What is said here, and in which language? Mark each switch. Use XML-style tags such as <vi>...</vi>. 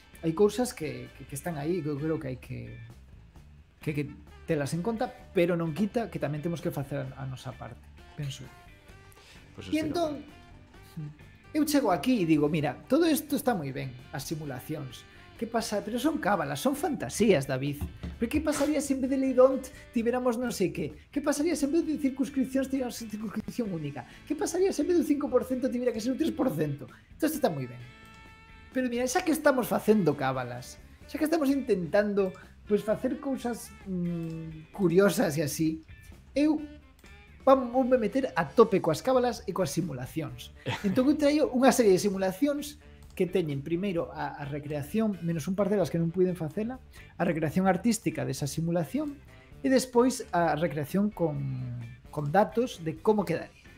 <gl>Hai cousas que están aí que eu creo que hai que telas en conta, pero non quita que tamén temos que facer a nosa parte, penso. Pues y entón, eu chego aquí e digo, mira, todo isto está moi ben, as simulacións,</gl> <es>¿Qué pasa? Pero son cábalas, son fantasías, David. ¿Pero qué pasaría si en vez de ley don't tuviéramos no sé qué? ¿Qué pasaría si en vez de circunscripciones tuviéramos circunscripción única? ¿Qué pasaría si en vez de un 5% tuviera que ser un 3%? Todo esto está muy bien.</es> <gl>Pero mira, xa que estamos facendo cábalas, xa que estamos intentando pues facer cousas curiosas e así, eu voume meter a tope coas cábalas e coas simulacións. Entón eu traio unha serie de simulacións que teñen primeiro a recreación, menos un par delas que non puiden facela, a recreación artística desa simulación e despois a recreación con datos de como quedaría.</gl>